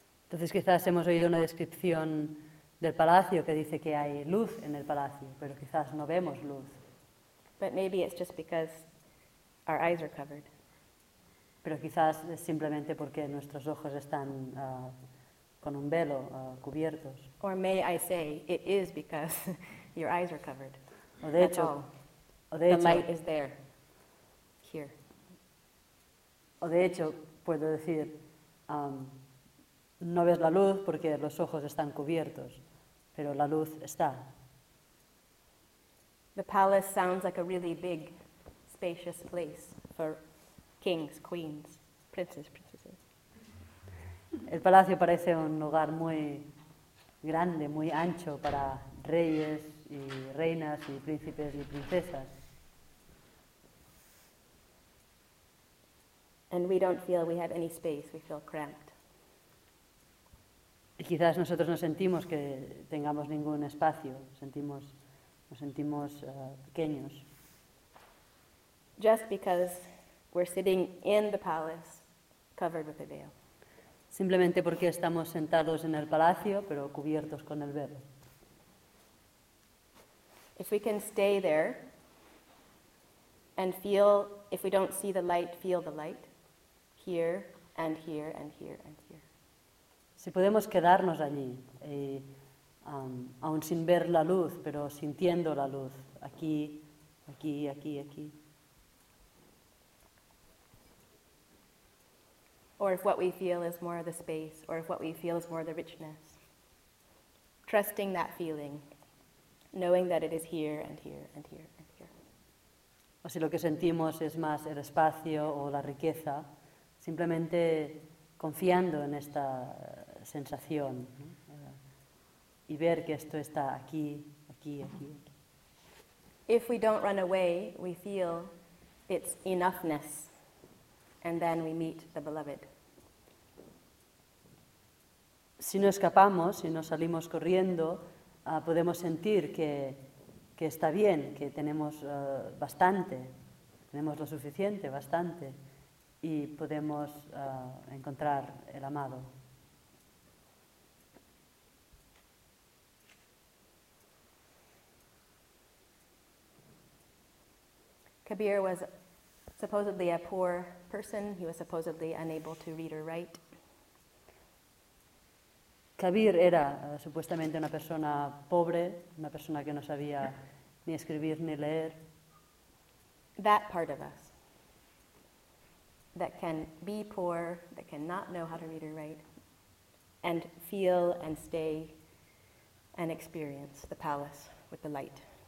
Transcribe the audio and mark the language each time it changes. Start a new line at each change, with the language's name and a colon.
Spanish: Entonces, quizás hemos oído una descripción del palacio que dice que hay luz en el palacio, pero quizás no vemos luz.
English: But maybe it's just because our eyes are covered.
Spanish: Pero quizás es simplemente porque nuestros ojos están con un velo cubiertos.
English: Or may I say, it is because your eyes are covered.
Spanish: O de hecho,
English: light is there, here.
Spanish: O de hecho, puedo decir, no ves la luz porque los ojos están cubiertos, pero la luz está.
English: The palace sounds like a really big, spacious place for kings, queens, princesses.
Spanish: El palacio parece un lugar muy grande, muy ancho para reyes y reinas y príncipes y princesas.
English: And we don't feel we have any space, we feel cramped.
Spanish: Y quizás nosotros no sentimos que tengamos ningún espacio, nos sentimos pequeños.
English: Just because we're sitting in the palace covered with a veil.
Spanish: Simplemente porque estamos sentados en el palacio, pero cubiertos con el velo.
English: If we can stay there and feel, if we don't see the light, feel the light, here and here and here and here.
Spanish: Si podemos quedarnos allí, aún sin ver la luz, pero sintiendo la luz, aquí, aquí, aquí, aquí.
English: Or if what we feel is more the space, or if what we feel is more the richness. Trusting that feeling, knowing that it is here and here and here and here.
Spanish: O si lo que sentimos es más el espacio o la riqueza, simplemente confiando en esta sensación, ¿no? Y ver que esto está aquí, aquí, aquí.
English: If we don't run away, we feel its enoughness, and then we meet the beloved.
Spanish: Si no escapamos, si no salimos corriendo, podemos sentir que está bien, que tenemos bastante, tenemos lo suficiente, bastante, y podemos encontrar el amado.
English: Kabir was supposedly a poor person. He was supposedly unable to read or write.
Spanish: Kabir era supuestamente una persona pobre, una persona que no sabía ni escribir ni leer.
English: That part of us that can be poor, that cannot know how to read or write, and feel and stay and experience the palace with the light.